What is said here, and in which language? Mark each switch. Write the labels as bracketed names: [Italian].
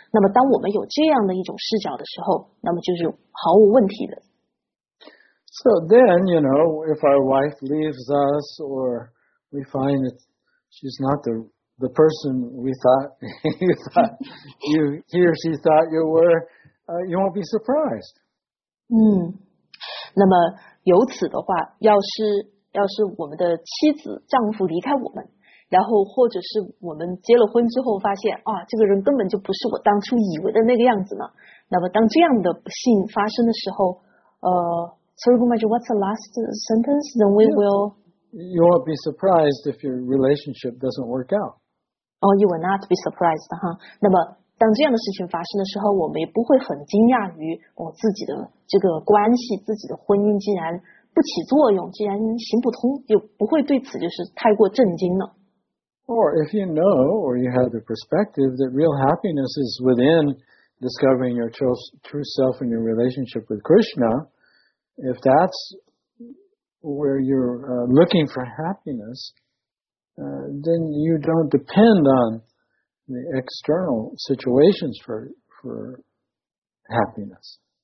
[Chinese] 那么当我们有这样的一种视角的时候，那么就是毫无问题的。 [English] So then, you know, if our wife leaves us or we find that she's not the person we thought you thought you, he or she thought you were, you won't be surprised. [Chinese] 那么由此的话，要是我们的妻子丈夫离开我们，然后或者是我们结了婚之后发现啊，这个人根本就不是我当初以为的那个样子呢。那么当这样的不幸发生的时候， [English] what's the last sentence? Then we will. You won't be surprised if your relationship doesn't work out. Oh, you will not be surprised, huh? [Chinese] 那么当这样的事情发生的时候，我们也不会很惊讶于我自己的这个关系，自己的婚姻竟然不起作用，竟然行不通，就不会对此就是太过震惊了。 [English] Or if you know, or you have the perspective that real happiness is within discovering your true self and your relationship with Krishna, if that's where you're looking for happiness, then you don't depend on the external situations for happiness.